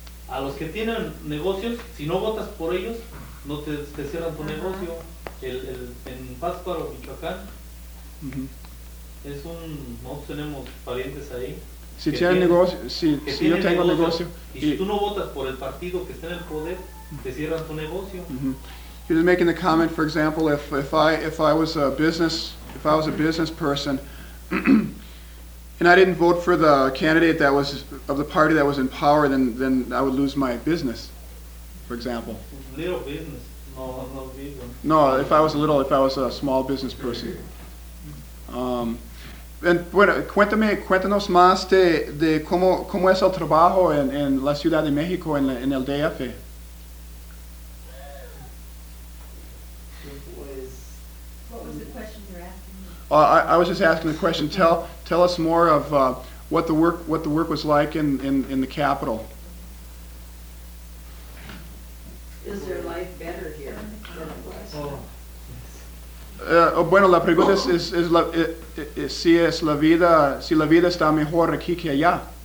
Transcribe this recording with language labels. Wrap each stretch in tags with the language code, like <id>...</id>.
<es>A los que tienen negocios, si no votas por ellos, no te cierran tu negocio. En Pátzcuaro, Michoacán, nosotros tenemos parientes ahí. Si tienen negocio, si yo tengo negocio. Y si tú no votas por el partido que está en el poder, te cierran tu negocio.</es> <en>He was making the comment, for example, if I was a business person, and I didn't vote for the candidate that was of the party that was in power, then I would lose my business, for example. Little business, no. If I was a small business person.</en> <es>Cuéntanos más de cómo es el trabajo en la Ciudad de México en el DF.</es> <en>I was just asking a question. Tell us more of what the work was like in the capital. Is their life better here than it was?</en> <es>Bueno, la pregunta es si la vida está mejor aquí que allá.</es>